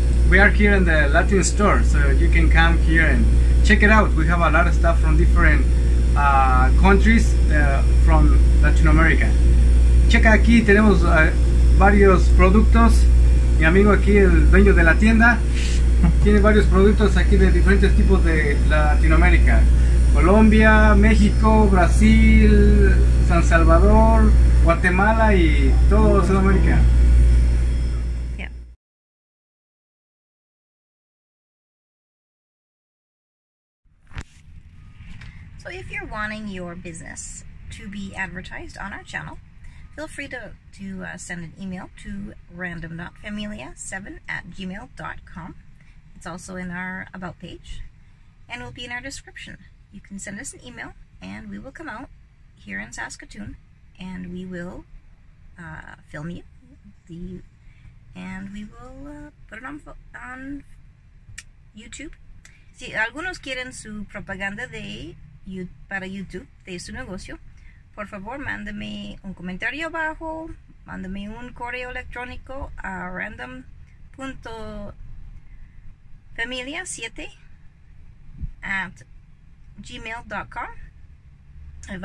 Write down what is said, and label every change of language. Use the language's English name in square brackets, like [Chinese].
[English] We are here in the Latin store, so you can come here and check it out. We have a lot of stuff from different countries from Latin America. [Spanish] Checa aquí, tenemos varios productos. Mi amigo aquí, el dueño de la tienda, tiene varios productos aquí de diferentes tipos de Latinoamérica. Colombia, México, Brasil, San Salvador, Guatemala y todo Sudamérica. [English] So if you're wanting your business to be advertised on our channel, feel free to send an email to random.familia7@gmail.com. It's also in our about page and will be in our description. You can send us an email and we will come out here in Saskatoon and we will film you and we will put it on YouTube. [Spanish] Si algunos quieren su propaganda para YouTube de su negocio, por favor mándame un comentario abajo, mándame un correo electrónico a random.familia7@gmail.com.